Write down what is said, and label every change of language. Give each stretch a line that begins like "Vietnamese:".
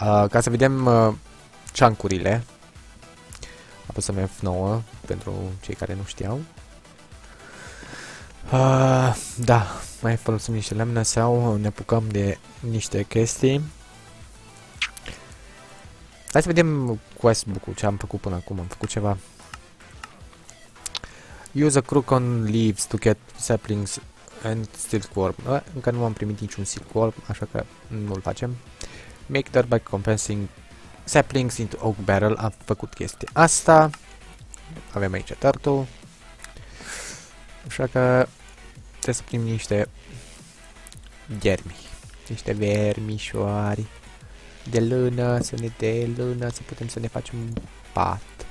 Romanian: Ca să vedem ciancurile. Apăsăm F9 pentru cei care nu știau. Da, mai folosim niște lemne sau ne apucăm de niște chestii. Hai să vedem questbook-ul, ce am făcut până acum. Am făcut ceva.
English: Use a crook on leaves to get saplings and silkworm.
Romanian: Încă nu am primit niciun silkworm, așa că nu-l facem. Make dirt by compressing saplings into oak barrel. Am făcut chestia asta. Avem aici dirt-ul. Așa că trebuie să primim niște viermi. Niște vermișoari. De lână, să ne dea lână, să putem să ne facem pat.